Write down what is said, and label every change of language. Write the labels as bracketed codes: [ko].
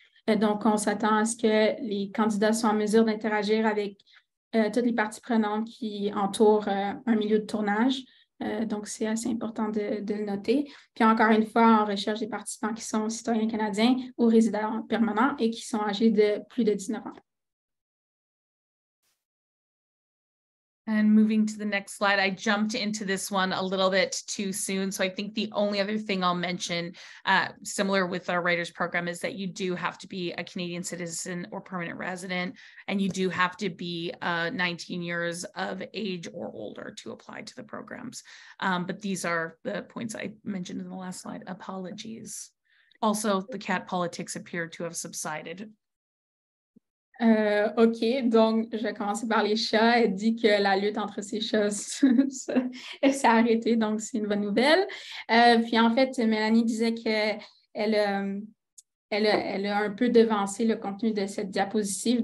[fr] Donc, on s'attend à ce que les candidats soient en mesure d'interagir avec toutes les parties prenantes qui entourent un milieu de tournage. Donc, c'est assez important de le noter. Puis encore une fois, on recherche des participants qui sont citoyens canadiens ou résidents permanents et qui sont âgés de plus de 19 ans. [en] And moving to the next slide, I jumped into this one a little bit too soon. So I think the only other thing I'll mention, similar with our writers program, is that you do have to be a Canadian citizen or permanent resident, and you do have to be 19 years of age or older to apply to the programs. But these are the points I mentioned in the last slide. Apologies. Also, the cat politics appear to have subsided. [fr] OK, donc je vais commencer par les chats. Elle dit que la lutte entre ces chats s'est arrêtée, donc c'est une bonne nouvelle. Puis en fait, Mélanie disait qu'elle a un peu devancé le contenu de cette diapositive.